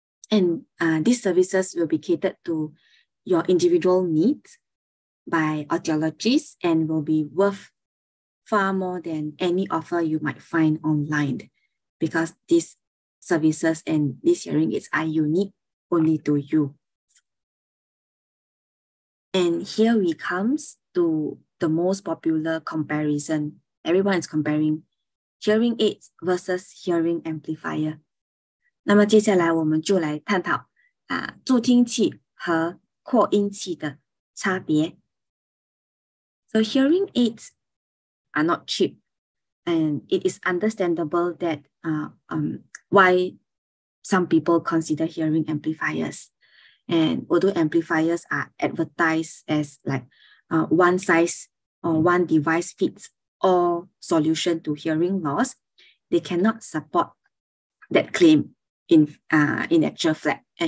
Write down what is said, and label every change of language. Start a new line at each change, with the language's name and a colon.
English: And these services will be catered to your individual needs by audiologists and will be worth far more than any offer you might find online, because these services and these hearing aids are unique only to you. And here we come to the most popular comparison. Everyone is comparing hearing aids versus hearing amplifier.
Chinese: 那么接下来我们就来探讨 助听器和扩音器的差别。
English: So hearing aids are not cheap, and it is understandable that why some people consider hearing amplifiers. And although amplifiers are advertised as like one size or one device fits all solution to hearing loss, they cannot support that claim in actual fact.